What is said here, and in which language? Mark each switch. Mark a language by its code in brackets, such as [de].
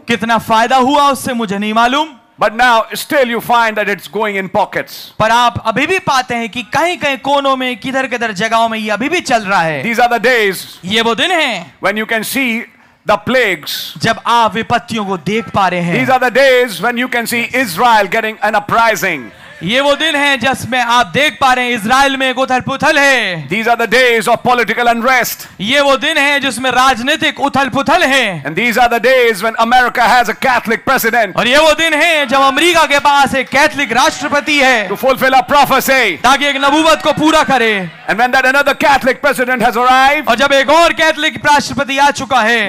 [hi] कितना फायदा हुआ उससे मुझे नहीं मालूम. [en] But now still you find that it's going in pockets. [hi] पर आप अभी भी पाते हैं कि कहीं कहीं कोनों में, किधर किधर जगहों में ये अभी भी चल रहा है. [en] These are the days. [hi] ये वो दिन हैं. [en] When you can see the plagues. [hi] जब आप विपत्तियों को देख पा रहे हैं. [en] These are the days when you can see Israel getting an uprising. [hi] ये वो दिन हैं जिसमें आप देख पा रहे हैं इज़राइल में एक उथल-पुथल है. [en] These are the days of political unrest. [hi] ये वो दिन हैं जिसमें राजनीतिक उथल-पुथल है. [en] And these are the days when America has a Catholic president. [hi] और ये वो दिन हैं जब अमेरिका के पास एक कैथोलिक राष्ट्रपति है. [en] To fulfill a prophecy. [hi] ताकि एक नबूवत को पूरा करे. [en] And when that another Catholic president has arrived. [hi] और जब एक और कैथोलिक राष्ट्रपति आ चुका है.